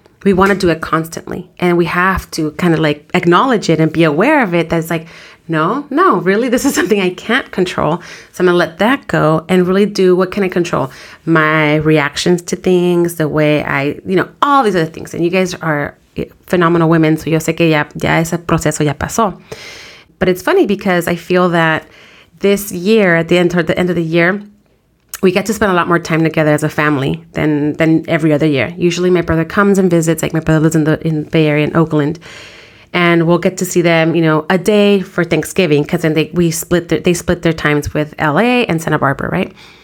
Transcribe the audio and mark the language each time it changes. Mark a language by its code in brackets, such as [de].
[en] We want to do it constantly. And we have to kind of like acknowledge it and be aware of it. That's like, no, really, this is something I can't control. So I'm going to let that go and really do, what can I control? My reactions to things, the way I, all these other things. And you guys are phenomenal women. So [es] yo sé que ya ese proceso ya pasó. [en] But it's funny because I feel that this year, at the end of the year, we get to spend a lot more time together as a family than every other year. Usually my brother comes and visits, like my brother lives in the Bay Area in Oakland. And we'll get to see them, you know, a day for Thanksgiving, because then they split their times with LA and Santa Barbara, right?